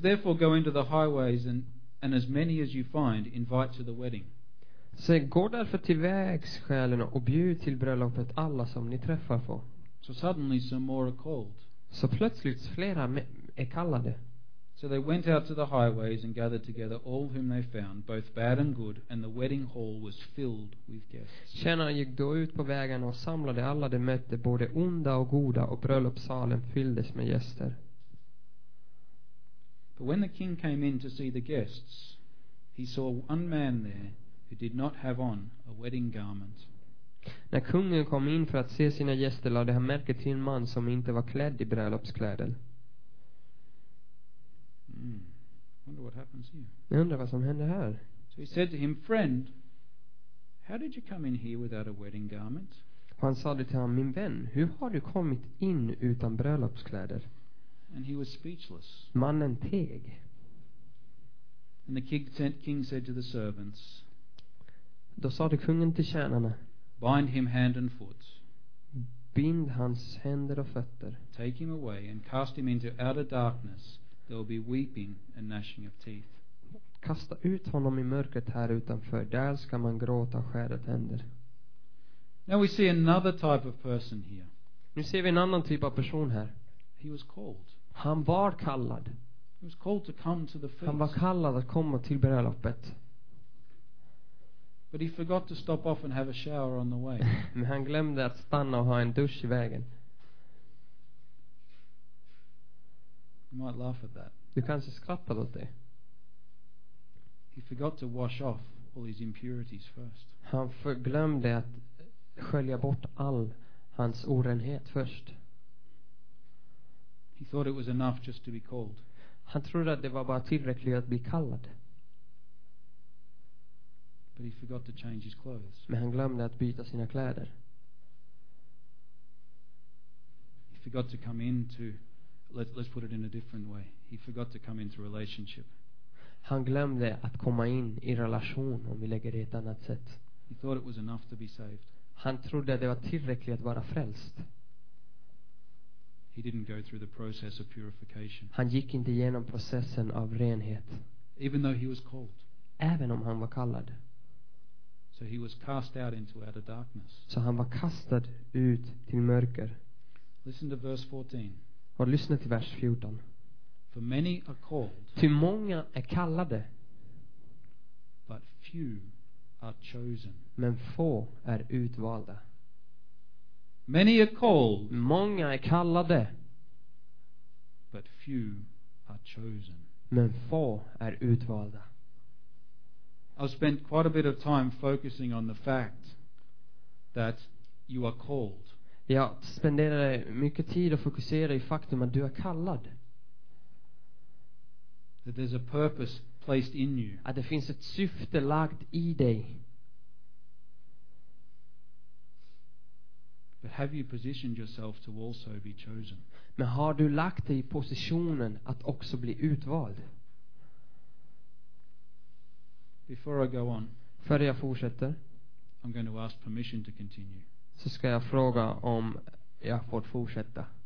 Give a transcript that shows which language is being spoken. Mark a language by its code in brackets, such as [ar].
[en] therefore go into the highways and as many as you find invite to the wedding. [sv] Så gå därför till vägskälen och bjud till bröllopet alla som ni träffar på. [en] So suddenly some more are called. [sv] Så plötsligt flera är kallade. [en] So they went out to the highways and gathered together all whom they found, both bad and good, and the wedding hall was filled with guests. [sv] Tjänarna gick då ut på vägarna och samlade alla de mötte, både onda och goda, och bröllopssalen fylldes med gäster. [en] But when the king came in to see the guests, he saw one man there who did not have on a wedding garment. [sv] När kungen kom in för att se sina gäster lade han märke till en man som inte var klädd i bröllopskläder. [en] Wonder what happens here. [sv] Jag undrar vad som händer här. [en] So he said to him, friend, how did you come in here without a wedding garment? [sv] Han sa till honom, min vän, hur har du kommit in utan bröllopskläder? [en] And he was speechless. [sv] Mannen teg. [en] And the king said to the servants. [sv] Då sa kungen till tjänarna. [en] Bind him hand and foot. [sv] Bind hans händer och fötter. [en] Take him away and cast him into outer darkness. There will be weeping and gnashing of teeth. [sv] Kasta ut honom i mörkret här utanför. Där ska man gråta och skära tänder. [en] Now we see another type of person here. [sv] Nu ser vi en annan typ av person här. [en] He was called. [sv] Han var kallad. [en] He was called to come to the feast. [sv] Han var kallad att komma till bröllopet. [en] But he forgot to stop off and have a shower on the way. [sv] Men han glömde att stanna och ha en dusch i vägen. [en] You might laugh at that. [sv] Du kanske skrattar åt det. [en] He forgot to wash off all his impurities first. [sv] Han glömde att skölja bort all hans orenhet först. [en] He thought it was enough just to be called. [sv] Han trodde att det var bara tillräckligt att bli kallad. [en] But he forgot to change his clothes. [sv] Men han glömde att byta sina kläder. [en] He forgot to come in to Let's put it in a different way. He forgot to come into relationship. [sv] Han glömde att komma in i relation, om vi lägger det ett annat sätt. [en] He thought it was enough to be saved. [sv] Han trodde att det var tillräckligt att vara frälst. [en] He didn't go through the process of purification. [sv] Han gick inte igenom processen av renhet. [en] Even though he was called. [sv] Även om han var kallad. [en] So he was cast out into outer darkness. [sv] Så han var kastad ut till mörker. [en] Listen to verse 14. [sv] Och lyssna till vers 14. [en] For many are called. [sv] Till många är kallade. [en] But few are chosen. [sv] Men få är utvalda. [en] Many are called. [sv] Många är kallade. [en] But few are chosen. [sv] Men få är utvalda. [en] I've spent quite a bit of time focusing on the fact that you are called. [sv] Jag spenderade mycket tid att fokusera i faktum att du är kallad. [en] That there's a purpose placed in you. [sv] Att det finns ett syfte lagt i dig. [en] But have you positioned yourself to also be chosen? [sv] Men har du lagt dig i positionen att också bli utvald? [en] Before I go on, [sv] före jag fortsätter, [en] I'm going to ask permission to continue. [sv] Så ska jag fråga om jag får fortsätta.